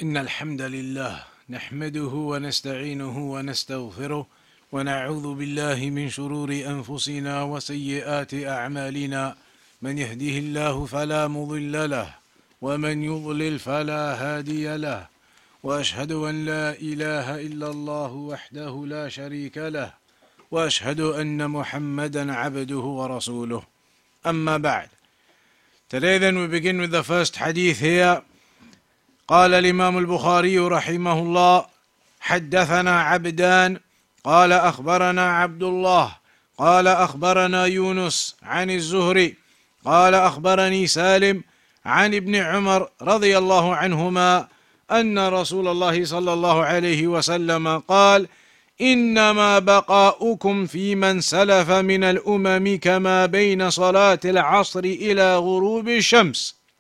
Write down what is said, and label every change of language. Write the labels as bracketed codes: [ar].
[ar] إن الحمد لله نحمده ونستعينه ونستغفره ونعوذ بالله من شرور أنفسنا وسيئات أعمالنا من يهده الله فلا مضل له ومن يضلل فلا هادي له وأشهد أن لا إله إلا الله وحده لا شريك له وأشهد أن محمدا عبده ورسوله أما بعد. [en] Today then we begin with the first hadith here. [ar] قال الإمام البخاري رحمه الله حدثنا عبدان قال أخبرنا عبد الله قال أخبرنا يونس عن الزهري قال أخبرني سالم عن ابن عمر رضي الله عنهما أن رسول الله صلى الله عليه وسلم قال إنما بقاؤكم في من سلف من الأمم كما بين صلاة العصر إلى غروب الشمس